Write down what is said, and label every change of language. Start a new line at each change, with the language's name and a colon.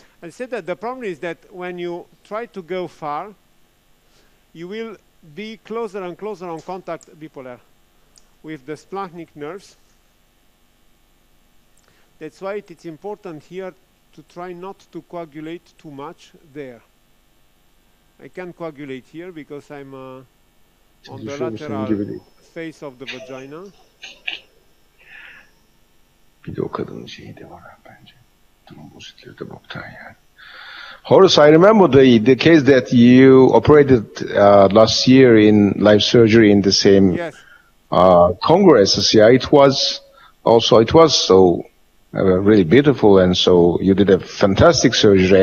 English: I said that the problem is that when you try to go far, you will be closer and closer on contact bipolar with the splanchnic nerves. That's why it is important here to try not to coagulate too much there. I can't coagulate here because I'm on the lateral face of the vagina.
Turkish: Bir de o kadının şeyi de var bence. Durum pozitif de boktan yani.
English: Horace, I remember the case that you operated last year in live surgery in the same congresses. Yeah, it was really beautiful, and so you did a fantastic surgery.